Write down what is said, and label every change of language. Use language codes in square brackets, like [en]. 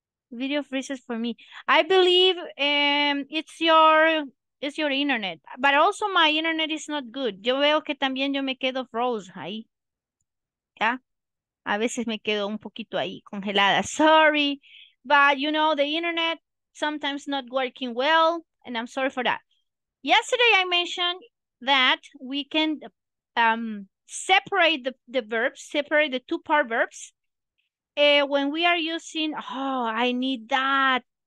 [en] Video freezes for me. I believe it's your internet, but also my internet is not good. [es] Yo veo que también yo me quedo froze ahí. Yeah, a veces me quedo un poquito ahí congelada. [en] Sorry, but you know the internet sometimes not working well, and I'm sorry for that. Yesterday I mentioned that we can separate the verbs, separate the two part verbs. When we are using, oh, I need that.